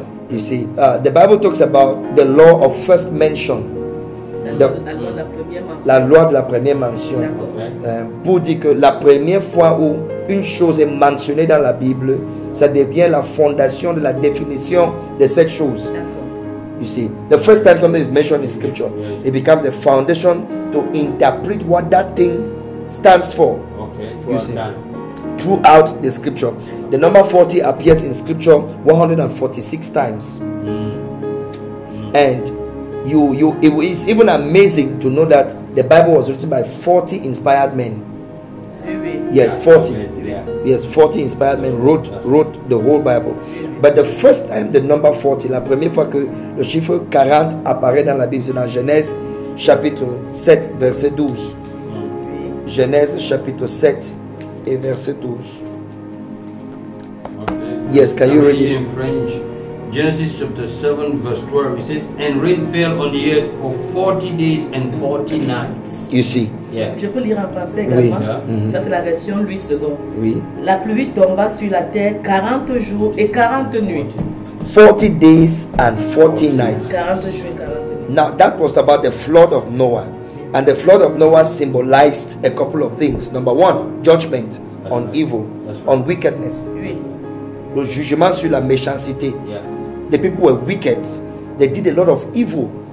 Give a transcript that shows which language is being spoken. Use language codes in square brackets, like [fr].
[en] You see, the Bible talks about the law of first mention, [fr] la loi de la première mention, pour dire que la première fois où une chose est mentionnée dans la Bible, ça devient la fondation de la définition de cette chose. [en] You see, the first time something is mentioned in scripture, it becomes a foundation to interpret what that thing stands for. Okay, you see, throughout the scripture, the number 40 appears in scripture 146 times. And you it is even amazing to know that the Bible was written by 40 inspired men. Yes, 40. Yes, 40 inspired men wrote the whole Bible. But the first time the number 40, [fr] la première fois que le chiffre 40 apparaît dans la Bible, c'est dans Genèse chapitre 7, verset 12. Genèse chapitre 7 et verset 12. [en] Okay. Yes, can you read it? In French, Genesis chapter 7, verse 12, it says, and rain fell on the earth for 40 days and 40 nights. You see. [fr] Yeah. Je peux lire en français également. Oui. Ça, c'est la version Louis II. Oui. La pluie tomba sur la terre 40 jours et 40 nuits. [en] 40 days and 40 nights. [fr] 40 jours et 40 nuits. [en] Now, that was about the flood of Noah. And the flood of Noah symbolized a couple of things. Number one, judgment on wickedness. [fr] Oui. Le jugement sur la méchanceté. [en] Yeah. The people were wicked. They did a lot of evil.